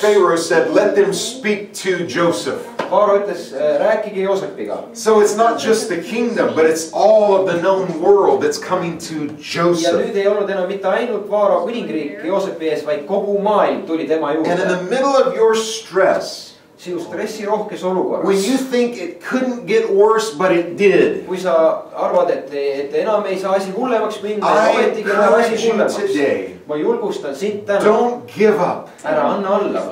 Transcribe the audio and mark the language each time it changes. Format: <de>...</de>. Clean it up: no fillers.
<en>Pharaoh said, let them speak to Joseph.</en> <et>Faarao ütles, rääkige Joosepiga.</et> <en>So it's not just the kingdom, but it's all of the known world that's coming to Joseph.</en> <et>Ja nüüd ei olnud enam mitte ainult Faarao kuningriik Joosepi ees, vaid kogu maailm tuli tema juurde.</et> <en>And in the middle of your stress,</en> <et>sinu stressi rohkes olukorras.</et> <en>When you think it couldn't get worse, but it did.</en> <et>Kui sa arvad, et enam ei saa asi hullemaks minna, ometi keeb asi hullemaks. Ma julgustan sind täna.</et> <en>Don't give up.</en> <et>Ära anna alla.</et>